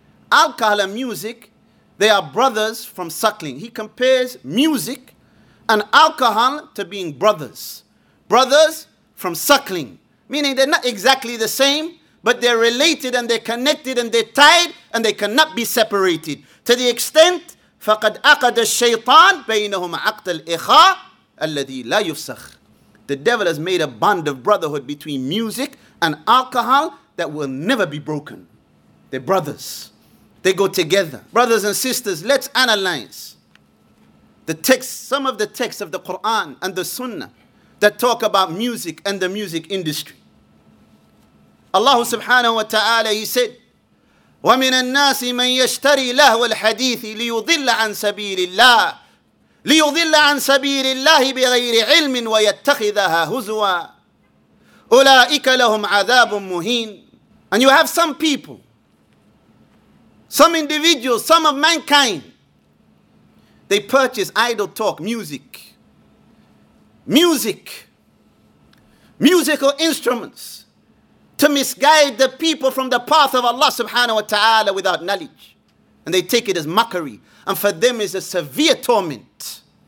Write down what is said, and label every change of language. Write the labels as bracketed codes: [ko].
[en] Alcohol and music, they are brothers from suckling. He compares music and alcohol to being brothers. Brothers from suckling. Meaning they're not exactly the same, but they're related and they're connected and they're tied and they cannot be separated. To the extent, [ar] فَقَدْ أَقَدَ الشَّيْطَانِ بَيْنَهُمْ عَقْدَ الْإِخَىٰ الَّذِي لَا يُفْسَخْ. [en] The devil has made a bond of brotherhood between music and alcohol that will never be broken. They're brothers. They go together. Brothers and sisters, let's analyze the text, some of the texts of the Quran and the Sunnah that talk about music and the music industry. Allah subhanahu wa ta'ala, he said, [ar] وَمِنَ النَّاسِ مَنْ يَشْتَرِي لَهْوَ الْحَدِيثِ لِيُضِلَّ عَنْ سَبِيلِ اللَّهِ لِيُضِلَّ عَنْ سَبِيلِ اللَّهِ بِغَيْرِ عِلْمٍ وَيَتَّخِذَهَا هُزُوًا أُولَٰئِكَ لَهُمْ عَذَابٌ مُهِينٌ. [en] And you have some people, some individuals, some of mankind, they purchase idle talk, music. Music. Musical instruments to misguide the people from the path of Allah subhanahu wa ta'ala without knowledge. And they take it as mockery. And for them is a severe torment.